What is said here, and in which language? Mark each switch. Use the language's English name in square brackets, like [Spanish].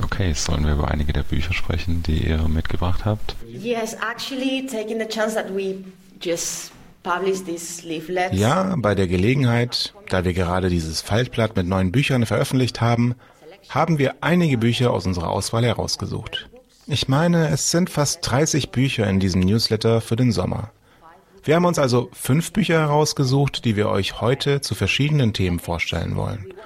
[German] Okay, sollen wir über einige der Bücher sprechen, die ihr mitgebracht habt? [English] Yes, actually, taking the chance that we just published this leaflet. [German] Ja, bei der Gelegenheit, da wir gerade dieses Faltblatt mit neuen Büchern veröffentlicht haben, haben wir einige Bücher aus unserer Auswahl herausgesucht. Ich meine, es sind fast 30 Bücher in diesem Newsletter für den Sommer. Wir haben uns also 5 Bücher herausgesucht, die wir euch heute zu verschiedenen Themen vorstellen wollen.